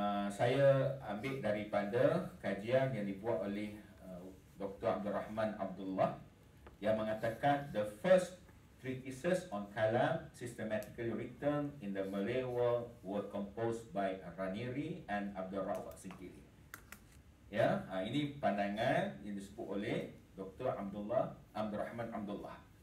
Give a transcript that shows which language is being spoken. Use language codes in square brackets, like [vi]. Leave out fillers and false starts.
[ms] Saya ambil daripada kajian yang dibuat oleh Dr. [en] Abdul Rahman Abdullah, [ms] yang mengatakan [en] the first treatises on kalam systematically written in the Malay world were composed by Raniere and Abdul Rawak sendiri. [ms] Ya, ini pandangan yang disebut oleh Dr. Abdul Rahman Abdullah.